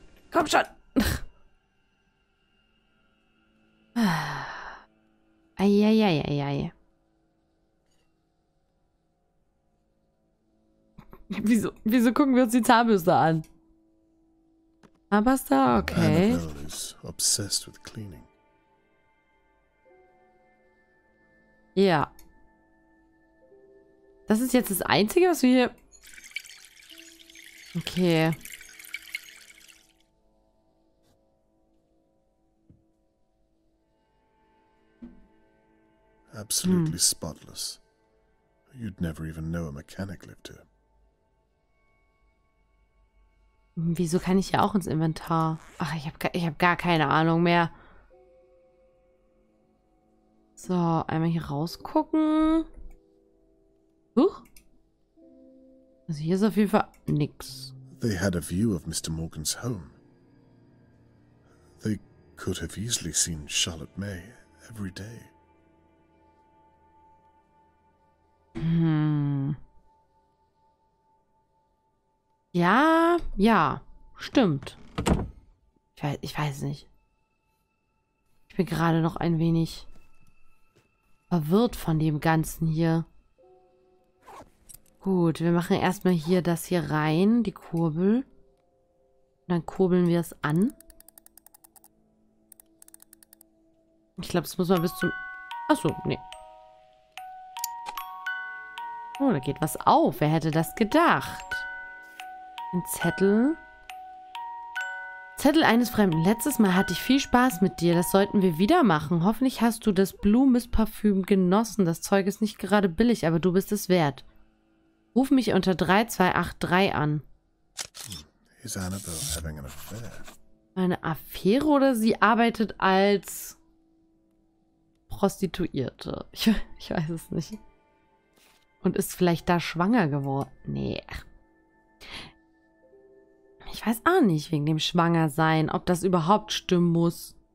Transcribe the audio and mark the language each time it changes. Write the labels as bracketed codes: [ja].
[de] Komm schon! Eieieiei. Wieso gucken wir uns die Zahnbürste an? Zahnpasta, okay. [en] Annabelle is obsessed with cleaning. [de] Ja. Das ist jetzt das Einzige, was wir hier... Okay. [en] Absolutely spotless. You'd never even know a mechanic lived here. [de] Wieso kann ich hier auch ins Inventar? Ach, ich hab gar keine Ahnung mehr. So, einmal hier rausgucken. Huch. Also hier ist auf jeden Fall nix. [en] They had a view of Mr. Morgan's home. They could have easily seen Charlotte May every day. [de] Ja, stimmt. Ich weiß nicht. Ich bin gerade noch ein wenig verwirrt von dem Ganzen hier. Gut, wir machen erstmal hier das hier rein, die Kurbel. Und dann kurbeln wir es an. Ich glaube, es muss mal bis zum... Achso, nee. Oh, da geht was auf. Wer hätte das gedacht? Ein Zettel. Zettel eines Fremden. Letztes Mal hatte ich viel Spaß mit dir. Das sollten wir wieder machen. Hoffentlich hast du das Blue Mist Parfüm genossen. Das Zeug ist nicht gerade billig, aber du bist es wert. Ruf mich unter 3283 an. [en] Is Annabelle having an affair? [de] Eine Affäre oder sie arbeitet als Prostituierte? Ich weiß es nicht. Und ist vielleicht da schwanger geworden? Nee. Ich weiß auch nicht, wegen dem Schwangersein, ob das überhaupt stimmen muss.